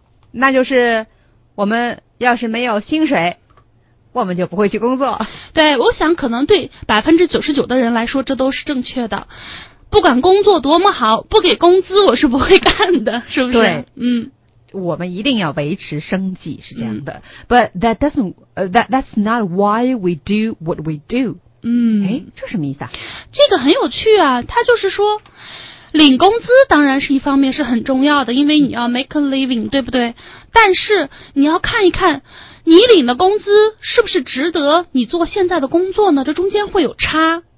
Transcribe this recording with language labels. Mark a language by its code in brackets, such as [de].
[zh] 那就是我们要是没有薪水，我们就不会去工作。对，我想可能对 99% 的人来说这都是正确的。不管工作多么好，不给工资我是不会干的，是不是？对，嗯。我们一定要维持生计，是这样的。 [en] 嗯、But that's not why we do what we do. [zh] 嗯，这什么意思啊？这个很有趣啊，他就是说领工资当然是一方面是很重要的，因为你要 [en] make a living, [zh] 对不对？但是你要看一看你领的工资是不是值得你做现在的工作呢，这中间会有差。